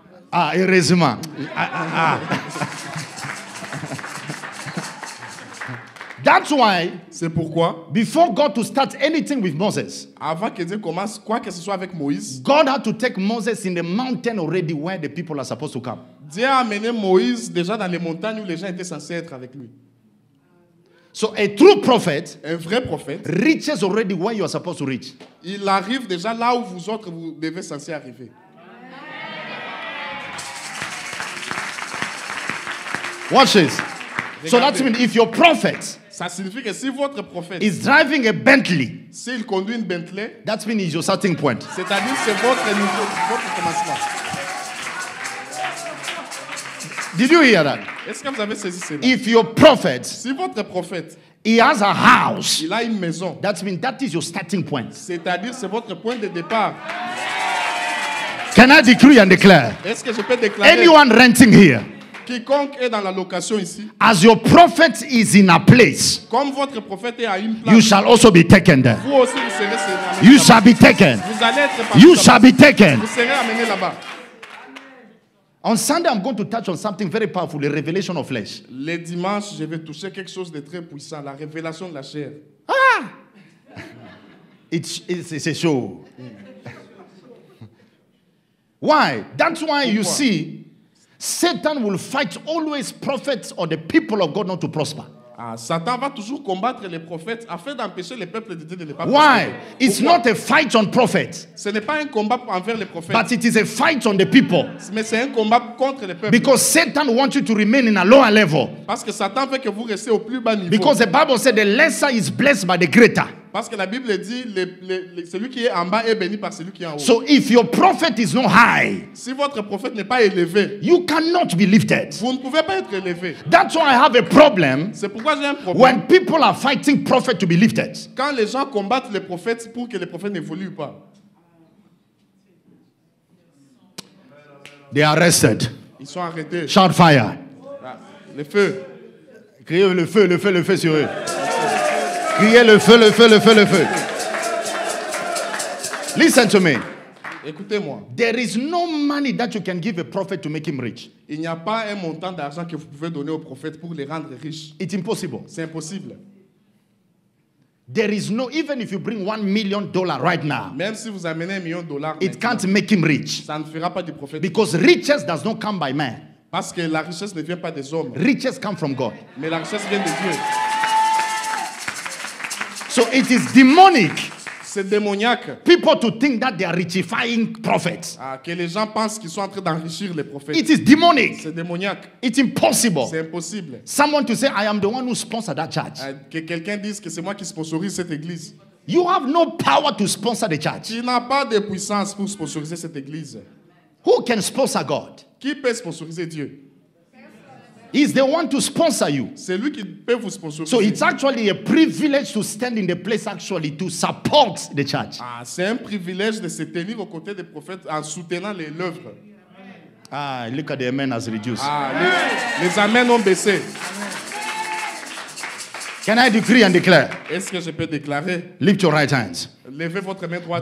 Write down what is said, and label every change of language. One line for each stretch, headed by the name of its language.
French: Ah, heureusement.
English: That's why,
French: c'est pourquoi,
English: before God to start anything with Moses,
French: avant que Dieu commence quoi que ce soit avec Moïse,
English: God had to take Moses in the mountain already where the people are supposed to come.
French: Dieu a amené Moïse déjà dans les montagnes où les gens étaient censés être avec lui.
English: So a true prophet,
French: un vrai prophète,
English: reaches already where you are supposed to reach.
French: Il arrive déjà là où vous autres vous devez censé arriver.
English: Watch this. So that means if your prophet,
French: ça signifie que si votre prophète
English: is driving a Bentley,
French: s'il conduit une Bentley,
English: that means it's your starting point.
French: C'est-à-dire que c'est votre niveau, votre commencement.
English: Did you hear that?
French: Est-ce que vous avez saisi cela?
English: If your prophet,
French: si votre prophète,
English: he has a house,
French: il a une maison,
English: that means that is your starting point.
French: C'est-à-dire que c'est votre point de départ.
English: Can I decree and declare?
French: Est-ce que je peux déclarer?
English: Anyone renting here?
French: Quiconque est dans la location ici,
English: as your prophet is in a place,
French: comme votre prophète est à une place,
English: you shall also be taken there.
French: Vous aussi, vous serez amené là-bas.
English: You shall be taken.
French: Vous allez être
English: par you shall be taken.
French: Vous serez amené là-bas.
English: On Sunday, I'm going to touch on something very powerful, the revelation of flesh.
French: Le dimanche, je vais toucher quelque chose de très puissant, la révélation de la chair.
English: Ah! It's a show. Why? That's why.
French: Pourquoi?
English: You see, Satan will fight always prophets or the people of God not to prosper.
French: Ah, Satan va toujours combattre les prophètes afin d'empêcher les peuples de Dieu de ne pas prospérer.
English: Why? It's not a fight on prophets.
French: Ce n'est pas un combat envers les prophètes.
English: But it is a fight on the people.
French: Mais c'est un combat contre les peuples.
English: Because Satan wants you to remain in a lower level.
French: Parce que Satan veut que vous restiez au plus bas niveau.
English: Because the Bible said the lesser is blessed by the greater.
French: Parce que la Bible dit celui qui est en bas est béni par celui qui est en haut.
English: So if your prophet is not high,
French: si votre prophète n'est pas élevé,
English: you cannot be lifted.
French: Vous ne pouvez pas être élevé.
English: That's why I have a problem.
French: C'est pourquoi j'ai un problème.
English: When people are fighting prophet to be lifted,
French: quand les gens combattent les prophètes pour que les prophètes n'évoluent pas,
English: they are arrested.
French: Ils sont arrêtés.
English: Shout fire.
French: Le feu. Criez le feu, le feu, le feu sur eux. Criez le feu, le feu, le feu, le feu.
English: Listen to me.
French: Écoutez-moi.
English: There is no money that you can give a prophet to make him rich.
French: Il n'y a pas un montant d'argent que vous pouvez donner au prophète pour le rendre riche.
English: It's impossible.
French: C'est impossible.
English: There is no, even if you bring $1 million right now,
French: même si vous amenez $1 million,
English: it can't make him rich.
French: Ça ne fera pas du prophète.
English: Because riches does not come by man.
French: Parce que la richesse ne vient pas des hommes.
English: Riches come from God.
French: Mais la richesse vient de Dieu.
English: So it is demonic.
French: C'est démoniaque.
English: People to think that they are richifying prophets.
French: Ah, que les gens pensent qu'ils sont en train d'enrichir les prophètes.
English: It is demonic.
French: C'est démoniaque.
English: It's impossible.
French: C'est impossible.
English: Someone to say I am the one who sponsors that church.
French: Que quelqu'un dise que c'est moi qui sponsorise cette église.
English: You have no power to sponsor the church.
French: Tu n'as pas de puissance pour sponsoriser cette église.
English: Who can sponsor God?
French: Qui peut sponsoriser Dieu?
English: He's the one to sponsor you.
French: C'est lui qui peut vous sponsoriser.
English: So it's actually a privilege to stand in the place actually to support the church.
French: Ah, c'est un privilège de se tenir aux côtés des prophètes en soutenant l'œuvre.
English: Ah, look at the amen has reduced.
French: Ah, les amen ont baissé.
English: Can I decree and declare?
French: Est-ce que je peux déclarer?
English: Lift your right hands.
French: Levez votre main droite.